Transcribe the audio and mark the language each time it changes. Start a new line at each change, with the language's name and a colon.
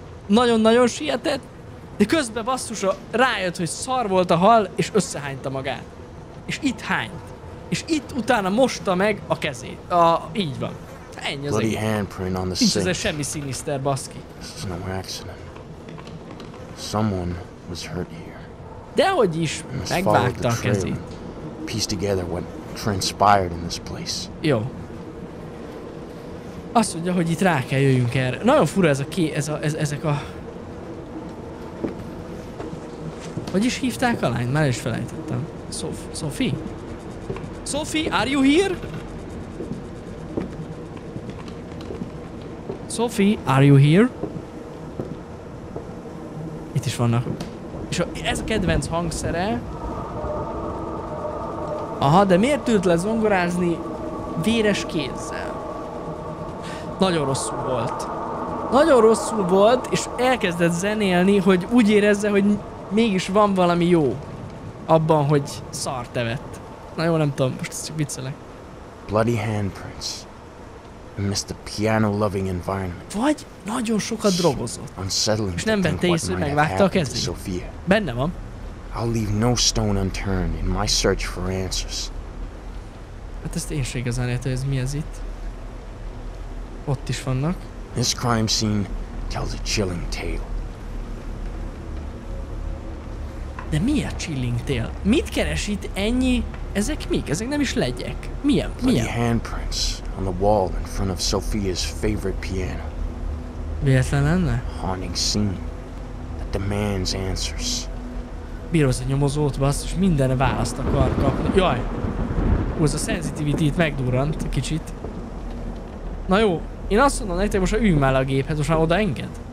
Hungarian: Nagyon-nagyon sietett, de közben basszusa rájött, hogy szar volt a hal, és összehányta magát. És itt hányt. És itt utána mosta meg a kezét. A, így van. Ennyi az egész.
English: Handprint on the sink.
Hungarian: Nincs ez semmi sinister, baszki.
English: This is no accident. Someone was hurt here.
Hungarian: Dehogy is, megvágta a kezét.
English: Piece together what transpired in this place.
Hungarian: Jó. Azt mondja, hogy itt rá kell jöjjünk erre. Nagyon fura ez a ké, ez a, ez, ezek a... Hogy is hívták a lányt? Már is felejtettem. Sophie?
English: Sophie, are you here? Sophie, are you here?
Hungarian: Itt is vannak. És a, ez a kedvenc hangszere. Aha, de miért ült le zongorázni véres kézzel? Nagyon rosszul volt. Nagyon rosszul volt, és elkezdett zenélni, hogy úgy érezze, hogy mégis van valami jó abban, hogy szart evett. Na jó, nem tudom, most ezt csak viccelek.
English: Bloody handprints. Missed the piano loving environment.
Hungarian: Vagy nagyon sokat drogozott.
English: Unsettling,
Hungarian: és nem vette észre, hogy megvágta a kezét. Benne van.
English: I'll leave no stone unturned in my search for answers.
Hungarian: Hát ezt én sem igazán értem, hogy ez mi ez itt. Ott is vannak.
English: This crime scene tells a chilling tale.
Hungarian: De mi a
English: chilling tale?
Hungarian: Mit keres itt ennyi? Ezek mik? Ezek nem is legyek. Milyen? Milyen?
English: The handprints on the wall in front of Sophia's favorite piano.
Hungarian: Véletlen lenne?
English: Haunting scene that demands answers.
Hungarian: Bírom a nyomozót, basszus, mindenre választ akar kapni. Jaj! Hú, ez a sensitivity itt megdurrant kicsit. Na jó, én azt mondom nektek, most ülj már a géphez, most már oda enged.